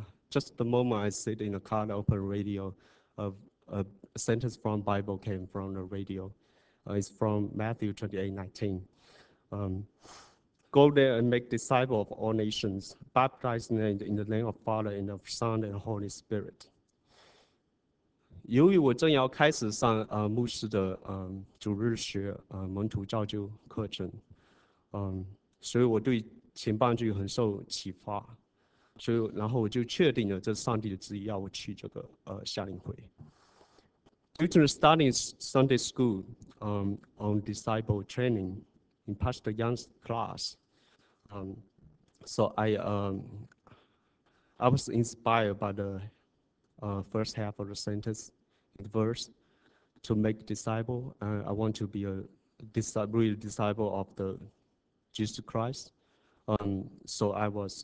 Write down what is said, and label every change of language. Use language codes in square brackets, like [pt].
[en] Just the moment I sit in the car, I open radio. A sentence from Bible came from the radio. It's from Matthew 28:19. Go there and make disciples of all nations, baptizing them in the name of Father and of Son and Holy Spirit. [zh] 由于我正要开始上牧师的主日学门徒造就课程，所以我对前半句很受启发，所以然后我就确定了这上帝的旨意要我去这个夏令会。 [en] Due to the starting Sunday school on disciple training in Pastor Young's class, so I was inspired by the first half of the sentence. Verse to make disciple. I want to be a real disciple of the Jesus Christ. So I was.